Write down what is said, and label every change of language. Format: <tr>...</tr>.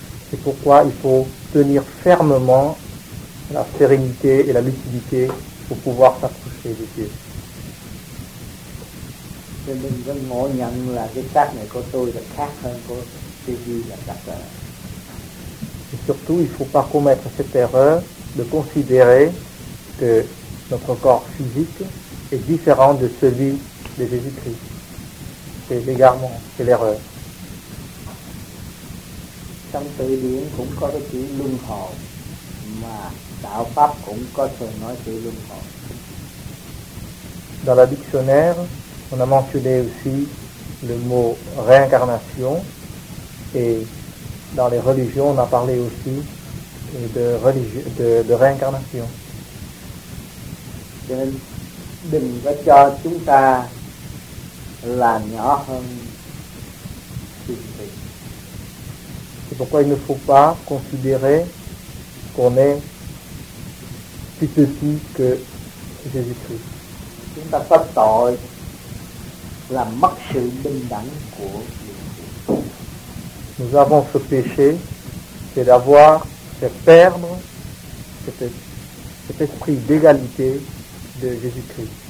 <fr>C'est pourquoi il faut tenir fermement la sérénité et la lucidité pour pouvoir s'approcher de Dieu.</fr> <vi>Nên mình vẫn ngộ nhận là cái xác này của tôi là khác hơn của cái gì là đặc biệt.</vi> <fr>Et surtout, il ne faut pas commettre cette erreur de considérer que notre corps physique est différent de celui de Jésus-Christ. C'est l'égarement, c'est l'erreur.</fr> <vi>Trong từ điển cũng có cái chữ luân hồi, mà đạo pháp cũng có thể nói chữ luân hồi.</vi> <fr>Dans le dictionnaire, on a mentionné aussi le mot réincarnation et dans les religions on a parlé aussi de de réincarnation.</fr> <vi>Nên đừng có cho chúng ta là nhỏ hơn.</vi> <fr>C'est pourquoi il ne faut pas considérer qu'on est plus petit que Jésus-Christ.</fr> <vi>Chúng ta có tội là mất sự bình đẳng của</vi> <fr>nous avons ce péché, c'est d'avoir, c'est perdre cet esprit d'égalité de Jésus-Christ.</fr>